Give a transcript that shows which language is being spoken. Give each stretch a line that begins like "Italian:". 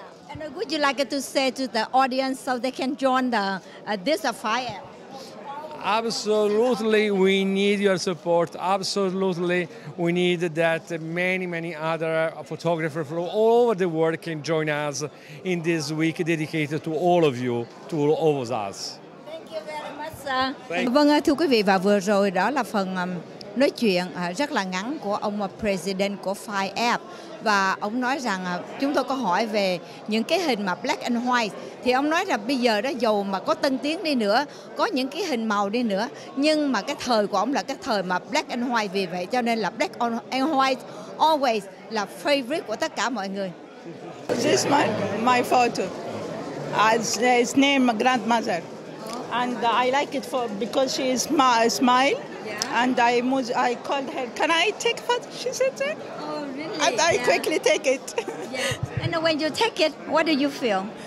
English: And would you like to say to the audience so they can join the this FIAP? Absolutely, we need your support. Absolutely, we need that many, many other photographers from all over the world can join us in this week dedicated to all of you, to all of us. Thank you very much, sir.
Vietnamese: Vâng, thưa quý vị, và vừa rồi đó là phần nói chuyện rất là ngắn của ông President của FIAP. Và ông nói rằng chúng tôi có hỏi về những cái hình mà
English: black and white,
Vietnamese: thì ông nói là bây giờ đó, dù mà có tân tiến đi nữa, có những cái hình màu đi nữa, nhưng mà cái thời của ông là cái thời mà black and white. Vì vậy cho nên là
English: black and white always
Vietnamese: là
English: favorite
Vietnamese: của tất cả mọi người.
English: This is my photo. It's named my grandmother. And I like it because she is smile. Yeah. And I called her, can I take photo? She said, oh, really? And I quickly take it. And when you take it, what do you feel?